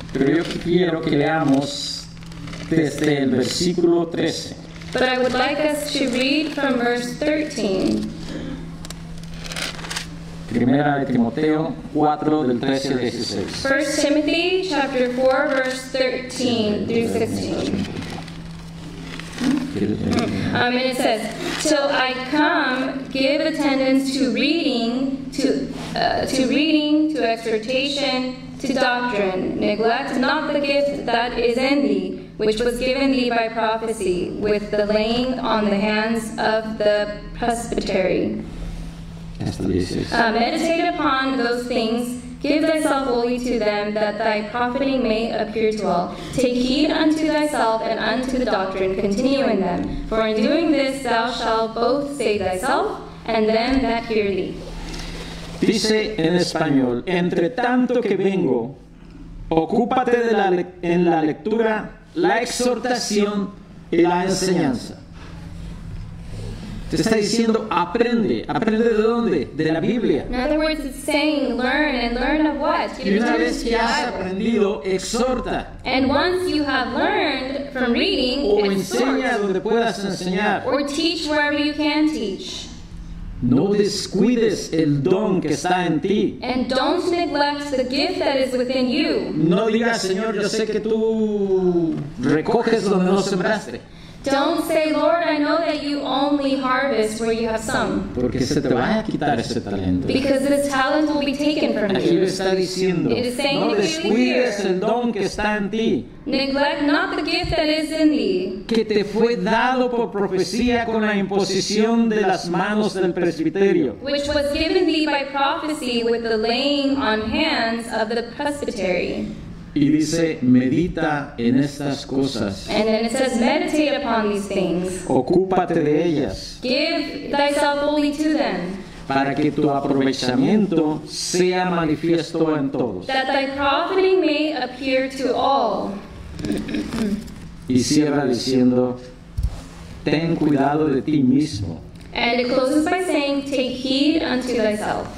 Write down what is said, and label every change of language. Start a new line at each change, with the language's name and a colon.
Spanish: Pero yo quiero que leamos desde el versículo 13.
English: But I would like us to read from verse 13.
Spanish: Primera de Timoteo 4, del 13 al 16.
English: 1 Timothy chapter 4, verse 13 through 16. And it says, Till I come, give attendance to reading, to reading, to exhortation, to doctrine. Neglect not the gift that is in thee, which was given thee by prophecy, with the laying on the hands of the presbytery. Meditate upon those things, give thyself wholly to them, that thy profiting may appear to all. Take heed unto thyself and unto the doctrine, continue in them. For in doing this thou shalt both save thyself and them that hear thee.
Spanish: Dice en español, entre tanto que vengo, ocúpate de la lectura, la exhortación y la enseñanza. Te está diciendo, aprende. ¿Aprende de dónde? De la Biblia.
English: In other words, it's saying, learn, and learn of what?
Spanish: Y una vez que has aprendido, exhorta.
English: And once you have learned from reading,
Spanish: o enseña donde puedas enseñar.
English: Or teach wherever you can teach.
Spanish: No descuides el don que está en ti.
English: And don't neglect the gift that is within you.
Spanish: No digas, Señor, yo sé que tú recoges donde no sembraste.
English: Don't say, Lord, I know that you only harvest where you have sown.
Spanish: Porque se te va a quitar ese talento.
English: Because this talent will be taken from you.
Spanish: Aquí lo está diciendo.
English: It is saying,
Spanish: no descuides el don que está en ti.
English: Neglect not the gift that is in thee.
Spanish: Que te fue dado por profecía con la imposición de las manos del presbiterio.
English: Which was given thee by prophecy with the laying on hands of the presbytery.
Spanish: Y dice, medita en estas cosas.
English: And then it says, meditate upon these things.
Spanish: Ocúpate de ellas.
English: Give thyself fully to them.
Spanish: Para que tu aprovechamiento sea manifiesto en todos.
English: That thy profiting may appear to all.
Spanish: Y cierra diciendo, ten cuidado de ti mismo.
English: And it closes by saying, take heed unto thyself.